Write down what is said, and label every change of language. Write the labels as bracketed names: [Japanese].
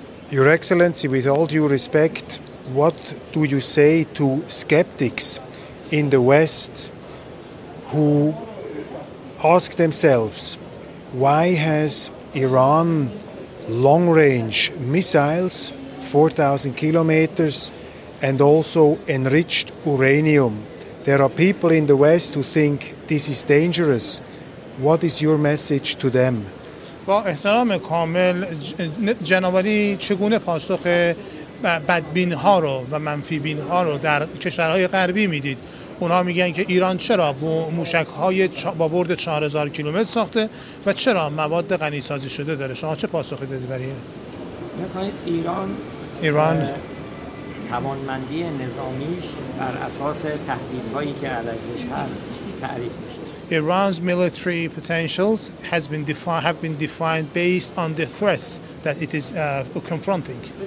[English] Your Excellency, with all due respect, what do you say to skeptics in the West who ask themselves, why has Iran long-range missiles, 4,000 kilometers, and also enriched uranium? There are people in the West who think this is dangerous. What is your message to them? [Persian] با احترام کامل جنابعالی چگونه پاسخ بدبین ها رو و منفی بین ها رو در کشورهای غربی میدید؟ اونا میگن که ایران چرا موشک های با برد 4000 کیلومتر ساخته و چرا مواد غنی سازی شده داره؟ شما چه پاسخی دادی برای این؟ ایران توانمندی نظامیش بر اساس تهدیدهایی که علیهش هست تعریف میشه. [English] Iran's military potentials have been defined based on the threats that it is confronting.